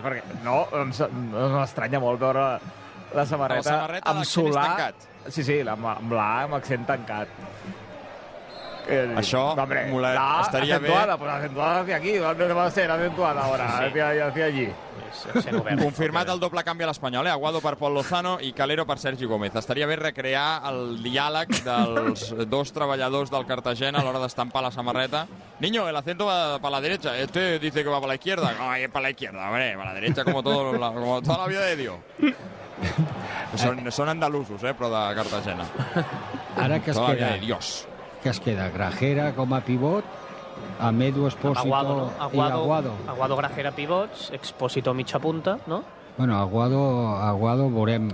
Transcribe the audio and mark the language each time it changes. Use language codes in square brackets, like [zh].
[ca] Perquè no, doncs m'estranya molt veure la samarreta amb Solà. Sí, sí, amb l'A, amb accent tancat. Això, estaria acentuada, bé. [es] Pues acentuada hacia aquí, ¿dónde va a ser acentuada ahora? Sí. Hacia allí. [ca] Confirmat el doble canvi a l'Espanyol, Aguado per Pol Lozano i Calero per Sergi Gómez. Estaria bé recrear el diàleg dels dos treballadors del Cartagena a l'hora d'estampar la samarreta. [es] Niño, el acento va [ca] per la dreta. [es] Este dice que va per la izquierda. No, es per la izquierda, hombre. [ca] Per la dreta, [es] como toda la vida de Dios. [ca] Són andalusos, però de Cartagena. Ara que es queda... [es] Toda la vida de Dios. [ca] Que es queda Grajera com a pivot... Amb Edu Espósito Aguado. Aguado, Grajera, pivots, Espósito mitja punta, no? Bueno, Aguado veurem...